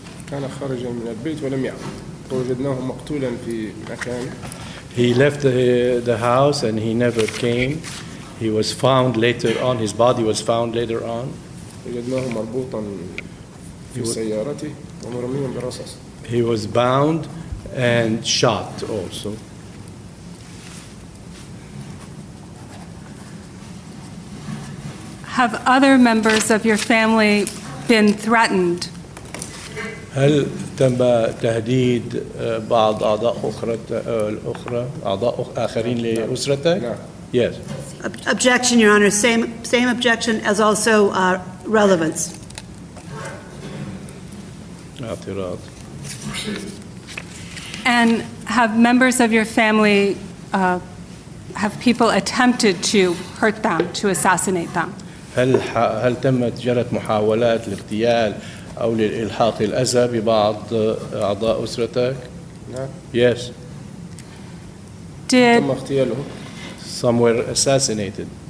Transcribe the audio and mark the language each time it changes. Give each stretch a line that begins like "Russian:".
Arabic: كان خارجا من البيت ولم يعد. وجدناه مقتولا في مكان.
English: He left the house and he never came. He was found later on. His body was found later on.
Arabic: وجدناه مربوطا في سيارته ومرميا برصاص.
English: He was bound and shot also. Have other members of your family been threatened?
Arabic: هل تم تهديد بعض أعضاء أخرى الأخرى أعضاء آخرين لأسرتك؟ نعم.
English: Yes. Objection, Your Honor. Same objection as also relevance.
Arabic: اعتراض.
English: And have members of your family have people attempted to hurt them, to assassinate them?
Arabic: هل تمت جرت محاولات لاغتيال أو لإلحاق الأذى ببعض أعضاء أسرتك؟ نعم.
English: Yes. Did
Arabic: تم اغتياله.
English: Some were assassinated.